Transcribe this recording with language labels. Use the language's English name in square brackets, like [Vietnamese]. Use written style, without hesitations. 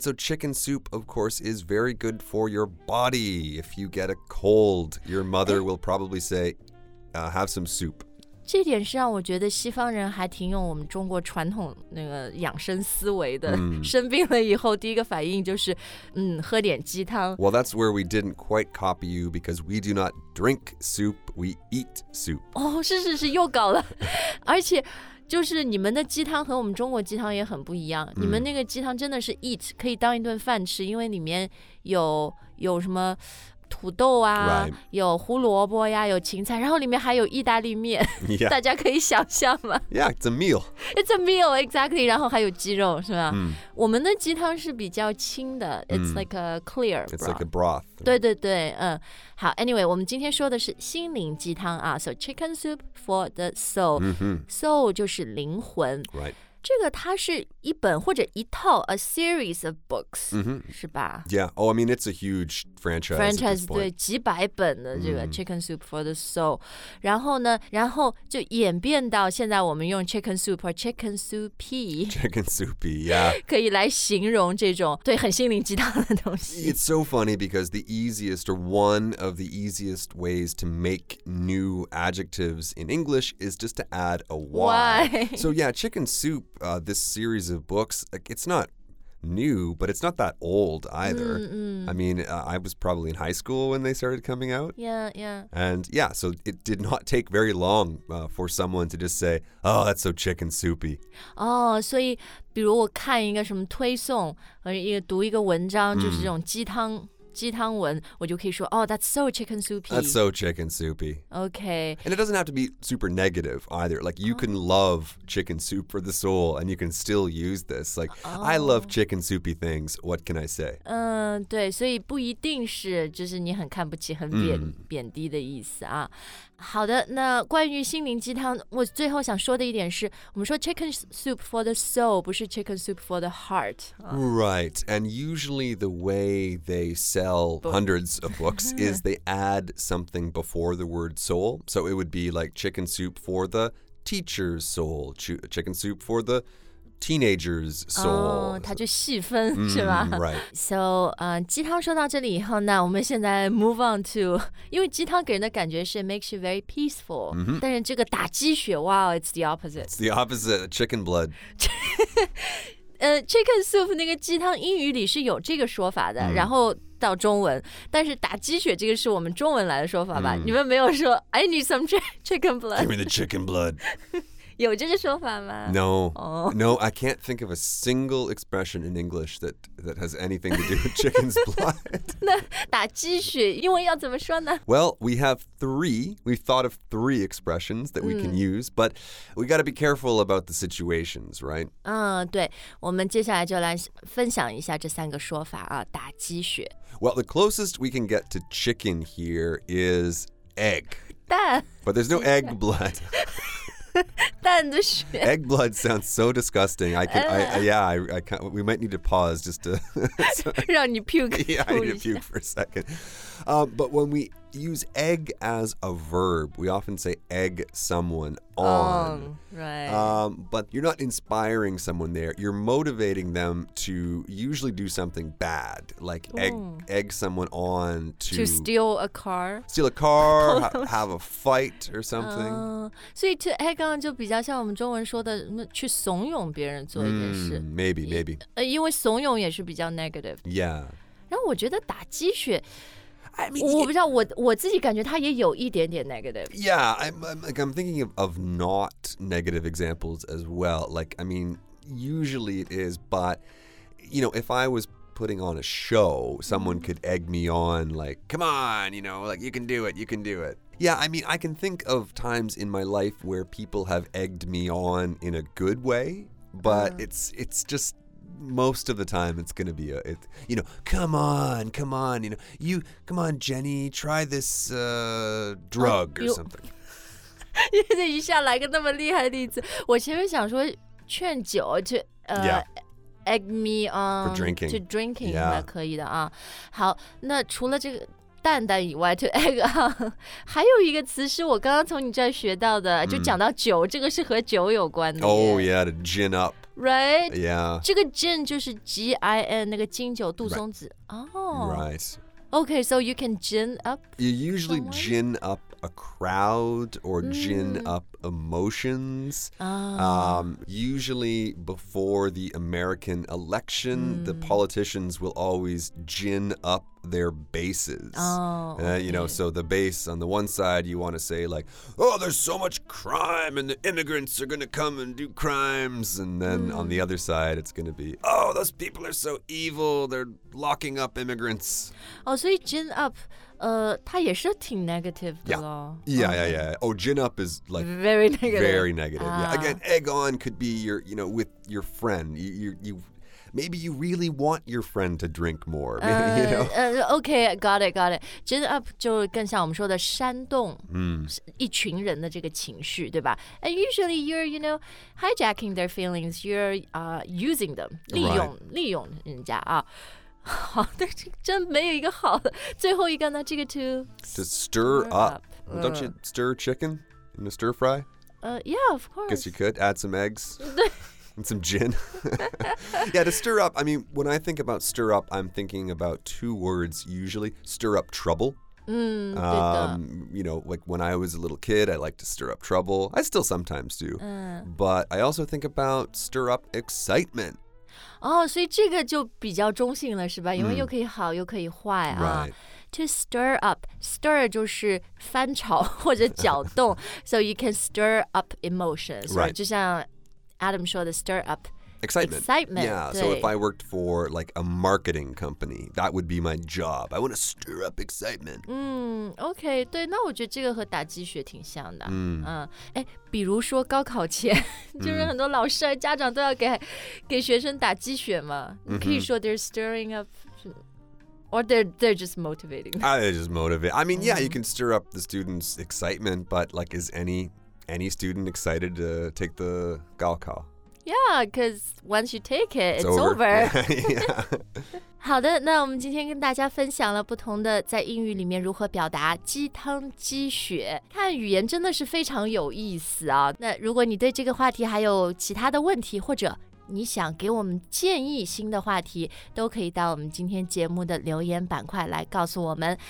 [English] So chicken soup, of course, is very good for your body. If you get a cold, your mother will probably say, have some soup. [Chinese] 这点是让我觉得西方人还挺用我们中国传统那个养生思维的。生病了以后第一个反应就是喝点鸡汤。 [English] Well, that's where we didn't quite copy you, because we do not drink soup, we eat soup. [Chinese] 哦、oh, 是是是又搞了。而且就是你们的鸡汤和我们中国鸡汤也很不一样、你们那个鸡汤真的是 eat 可以当一顿饭吃，因为里面有什么土豆啊、 [English] right. [Chinese] 有胡萝卜呀，有芹菜，然后里面还有意大利面、 [English] yeah. [Chinese] 大家可以想象吗？ [English] Yeah, it's a meal. It's a meal, exactly. [Chinese] 然后还有鸡肉是吧、我们的鸡汤是比较清的、 [English] It's like a clear broth. It's like a broth. [Chinese] 对对对、好 anyway 我们今天说的是心灵鸡汤啊 [English] So chicken soup for the soul、 [Chinese] Soul 就是灵魂、 [English] right. [Chinese] 这个它是一本或者一套 [English] A series of books、 [Chinese] 是吧 [English] Yeah, oh I mean it's a huge franchise [Chinese] Franchise 对几百本的这个、chicken soup for the soul 然后呢然后就演变到现在我们用 [English] chicken soup or chicken soupy Chicken soupy, yeah [Chinese] 可以来形容这种对很心灵鸡汤的东西 [English] It's so funny because the easiest or one of the easiest ways to make new adjectives in English is just to add a Y、 Why? So yeah, chicken soup、this series of books, like, it's not new, but it's not that old either. I mean,、I was probably in high school when they started coming out. Yeah, yeah. And yeah, so it did not take very long、for someone to just say, oh, that's so chicken soupy. [Chinese] Oh, so 比如我看一个什么推送或者读一个文章就是这种鸡汤、鸡汤文我就可以说 [English] Oh, that's so chicken soupy. That's so chicken soupy. Okay. And it doesn't have to be super negative either. Like you can love chicken soup for the soul and you can still use this. Like、I love chicken soupy things. What can I say? [Chinese] 对所以不一定是就是你很看不起很贬、贬低的意思啊。好的那关于心灵鸡汤我最后想说的一点是我们说 [English] chicken soup for the soul [Chinese] 不是 [English] chicken soup for the heart、 Right and usually the way they sell hundreds of books is they add something before the word soul so it would be like chicken soup for the teacher's soul chicken soup for the teenager's soul [Chinese] 它就细分是吧、 [English] Right [Chinese] So、鸡汤说到这里以后呢我们现在 [English] move on to [Chinese] 因为鸡汤给人的感觉是 [English] makes you very peaceful、 [Chinese] 但是这个打鸡血 [English] Wow it's the opposite It's the opposite Chicken blood [Chinese] Chicken soup 那个鸡汤英语里是有这个说法的、然后到中文但是打鸡血这个是我们中文来的说法吧、你们没有说 [English] I need some chicken blood Give me the chicken blood [Chinese] 有这个说法吗 [English] No、 oh. No I can't think of a single expression in English that has anything to do with chicken's blood [Chinese] 那打鸡血英文要怎么说呢 [English] Well we have three We've thought of three expressions that we can use But we gotta be careful about the situations right [Chinese] 对我们接下来就来分享一下这三个说法啊，打鸡血 [English] Well the closest we can get to chicken here is egg [Chinese] 蛋 [English] But there's no egg blood [Chinese] 蛋的血 [English] Egg blood sounds so disgusting I can, I can't, We might need to pause just to [Chinese] 让你 puke [English] Yeah, I need to puke for a second、But when we use egg as a verb We often say egg someone on、 right. But you're not inspiring someone there You're motivating them to usually do something bad Like egg someone on to steal a car Steal a car, have a fight or something、 [Chinese] 所以 [English] to egg on [Chinese] 就比较像我们中文说的去怂恿别人做一件事、 [English] Maybe [Chinese] 因为怂恿也是比较 negative [English] Yeah [Chinese] 然后我觉得打鸡血 [English] I mean, [Chinese] 我不知道 我自己感觉它也有一点点 negative [English] Yeah, I'm thinking of not negative examples as well Like, I mean, usually it is But, you know, if I was putting on a show Someone could egg me on like Come on, you know, like you can do it Yeah, I mean, I can think of times in my life where people have egged me on in a good way, but it's just most of the time it's going to be come on, Jenny, try this drug or something. [Chinese] 一下来个那么厉害的例子，我前面想说劝酒 [English] to egg me on for drinking. To drinking, yeah. [Chinese] 那可以的啊。好，那除了这个蛋蛋以外 [English] to egg on, [Chinese] 还有一个词是我刚刚从你这儿学到的，就讲到酒，这个是和酒有关的。 [English] Oh yeah, to gin up. Right? Yeah. [Chinese] 这个 gin 就是 G-I-N, 那个金酒，杜松子。 [English] Right. Okay, so you can gin up? You usually gin up a crowd or gin up emotions. Usually before the American election, the politicians will always gin up their bases. You know, so the base on the one side, you want to say like, oh, there's so much crime and the immigrants are going to come and do crimes. And then on the other side, it's going to be, oh, those people are so evil. They're locking up immigrants. Oh, so you gin up. [Chinese] 它也是挺 negative 的咯。 [English] Yeah. Oh, gin up is like very negative. Very negative. Yeah. Again, egg on could be your, you know, with your friend. You maybe you really want your friend to drink more. You know. Okay, got it. [Chinese] Gin up 就更像我们说的煽动，一群人的这个情绪，对吧？ [English] And usually you're, you know, hijacking their feelings. You're using them, [Chinese] 利用人家啊。好的，真没有一个好的。最后一个呢，这个 to [English] stir up. Don't you stir chicken in a stir fry? Yeah, of course. Guess you could add some eggs and some gin. Yeah, to stir up. I mean, when I think about stir up, I'm thinking about two words usually. Stir up trouble. You know, like when I was a little kid, I liked to stir up trouble. I still sometimes do. But I also think about stir up excitement. [Chinese] 所以这个就比较中性了是吧，因为又可以好又可以坏啊。 [English] To stir up, [Chinese] stir 就是翻炒或者搅动 [English] so you can stir up emotions, right? [Chinese] 就像 Adam 说的 [English] stir up excitement. Yeah, [Chinese] 对。 [English] So if I worked for like a marketing company, that would be my job. I want to stir up excitement. [Chinese] OK, 对，那我觉得这个和打鸡血挺像的。比如说高考前就是很多老师家长都要给学生打鸡血嘛。你可以说 [English] they're stirring up, or they're just motivating. They're just motivating. I mean, yeah, you can stir up the students' excitement, but like, is any student excited to take the 高考? Yeah, because once you take it, it's over. Yeah. [Chinese] 好的，那我们今天跟大家分享了不同的在英语里面如何表达鸡汤鸡血，看语言真的是非常有意思啊。那如果你对这个话题还有其他的问题，或者你想给我们建议新的话题，都可以到我们今天节目的留言板块来告诉我们。